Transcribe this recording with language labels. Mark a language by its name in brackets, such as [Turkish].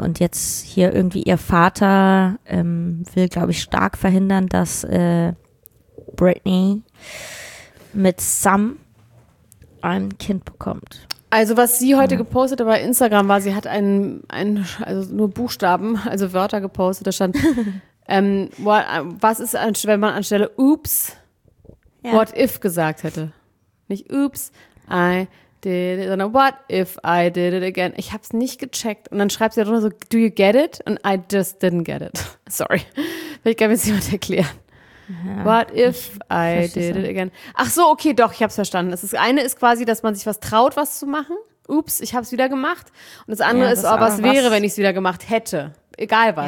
[German] Und jetzt hier irgendwie ihr Vater will, glaube ich, stark verhindern, dass Britney mit Sam ein Kind bekommt. Also was sie heute gepostet hat bei Instagram war, sie hat einen also nur Buchstaben, also Wörter gepostet, da stand, was ist, wenn man anstelle Oops, ja. [English] what if [German] gesagt hätte. Nicht [English] Oops, I did it, [German] sondern [English] what if I did it again? [German] Ich hab's nicht gecheckt. Und dann schreibt sie darunter so, [English] do you get it? [German] Und [English] I just didn't get it. Sorry. [German] Vielleicht kann mir das jemand erklären. Ja, [English] what if I did it again? [German] Ach so, okay, doch, ich hab's verstanden. Das eine ist quasi, dass man sich was traut, was zu machen. Ups, ich hab's wieder gemacht. Und das andere ist, was wäre, wenn ich's wieder gemacht hätte. Egal was.